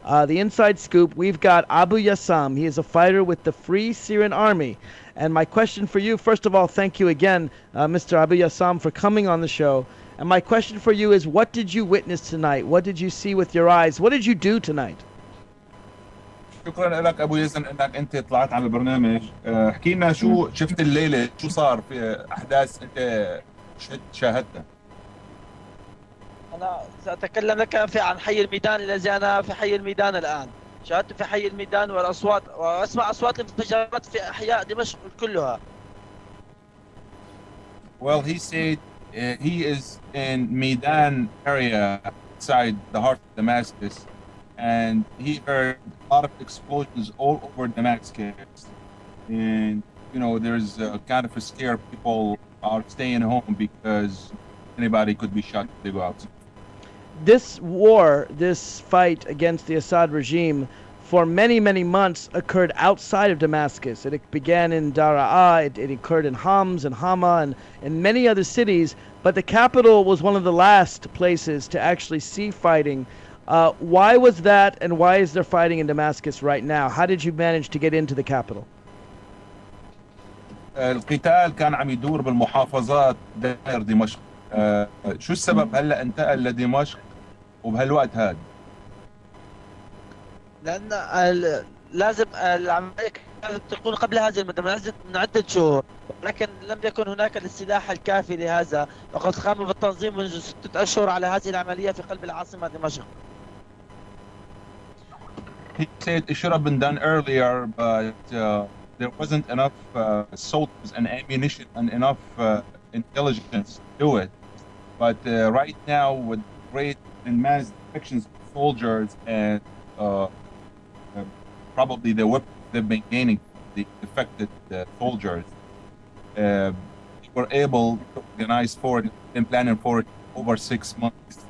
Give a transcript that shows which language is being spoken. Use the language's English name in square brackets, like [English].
[English] The inside scoop, we've got Abu Yassam. He is a fighter with the Free Syrian Army. And my question for you, first of all, thank you again, Mr. Abu Yassam, for coming on the show. And my question for you is, what did you witness tonight? What did you see with your eyes? What did you do tonight? [Arabic] شكرا لك ابو يزن انك انت طلعت على البرنامج. احكي لنا شو شفت الليله، شو صار في احداث انت شاهدتها. انا ساتكلم لك عن حي الميدان الذي انا في حي الميدان الان، شاهدت في حي الميدان والاصوات واسمع اصوات الانفجارات في احياء دمشق كلها. [English] Well, he said he is in Midan area outside the heart of Damascus, and he heard a lot of explosions all over Damascus. And, you know, there's a kind of a scare people are staying home because anybody could be shot if they go out. This war, this fight against the Assad regime, for many, many months occurred outside of Damascus. It began in Daraa, it occurred in Homs and Hama and in many other cities, but the capital was one of the last places to actually see fighting. Why was that, and why is there fighting in Damascus right now? How did you manage to get into the capital? [Arabic] القتال كان عم يدور بالمحافظات داير دمشق. شو السبب هلا انتقل لدمشق وبهالوقت هذا؟ لأن لازم العملية كانت تكون قبل هذه المدة من عدة شهور، لكن لم يكن هناك السلاح الكافي لهذا، وقد قاموا بالتنظيم منذ 6 أشهر على هذه العملية في قلب العاصمة دمشق. [English] He said it should have been done earlier, but there wasn't enough soldiers and ammunition and enough intelligence to do it. But right now, with great and mass actions of soldiers and probably the weapons they've been gaining, the affected soldiers, they were able to organize for it and planning for it over 6 months.